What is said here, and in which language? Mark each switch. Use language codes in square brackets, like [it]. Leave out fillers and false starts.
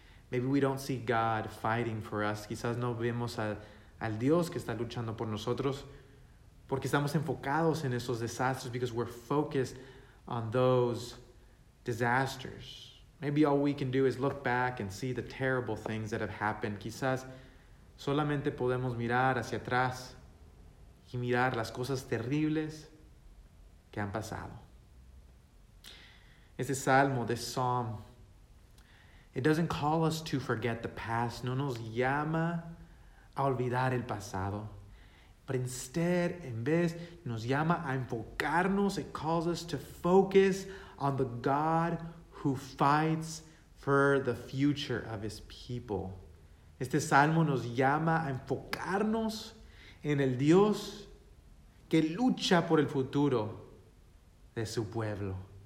[en] Maybe we don't see God fighting for us. [es] Quizás no vemos al Dios que está luchando por nosotros porque estamos enfocados en esos desastres, [en] because we're focused on those disasters. Maybe all we can do is look back and see the terrible things that have happened. [es] Quizás solamente podemos mirar hacia atrás y mirar las cosas terribles que han pasado. Este Salmo, [en] this Psalm, it doesn't call us to forget the past. [es] No nos llama a olvidar el pasado. [en] But instead, [es] en vez, nos llama a enfocarnos. [en] It calls us to focus on the God who fights for the future of his people. [es] Este Salmo nos llama a enfocarnos en el Dios que lucha por el futuro de su pueblo.